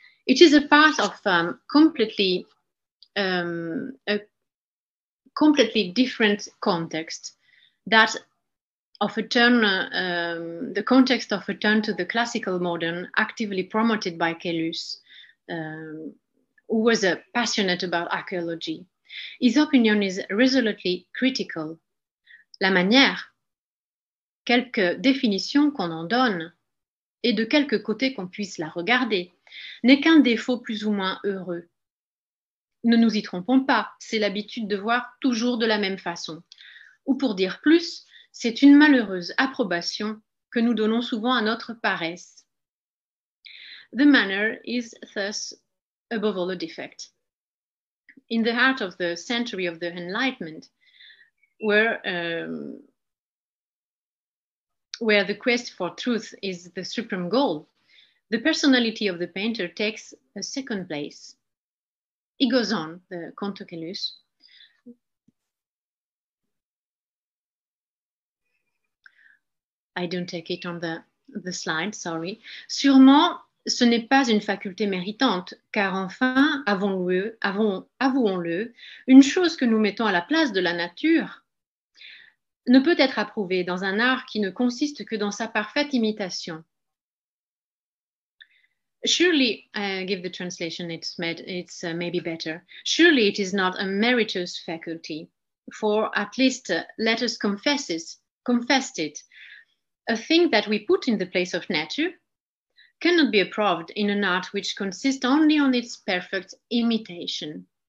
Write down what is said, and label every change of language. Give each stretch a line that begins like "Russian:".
English: It is a part of a completely different context, that of a turn, the context of a turn to the classical modern, actively promoted by Caylus, who was passionate about archaeology. His opinion is resolutely critical.
French: La manière, quelques définitions qu'on en donne, et de quelque côté qu'on puisse la regarder, n'est qu'un défaut plus ou moins heureux. Ne nous y trompons pas, c'est l'habitude de voir toujours de la même façon. Ou pour dire plus, c'est une malheureuse approbation que nous donnons souvent à notre paresse.
English: The manner is thus above all a defect. In the heart of the century of the Enlightenment, where the quest for truth is the supreme goal, the personality of the painter takes a second place. He goes on, the Comte Caylus. I don't take it on the slide, sorry.
French: Sûrement, ce n'est pas une faculté méritante, car enfin, avouons-le, une chose que nous mettons à la place de la nature ne peut être approuvée dans un art qui ne consiste que dans sa parfaite imitation.
English: Surely, I give the translation, it's maybe better. Surely it is not a meritorious faculty, for at least let us confess it. A thing that we put in the place of nature cannot be approved in an art which consists only on its perfect imitation.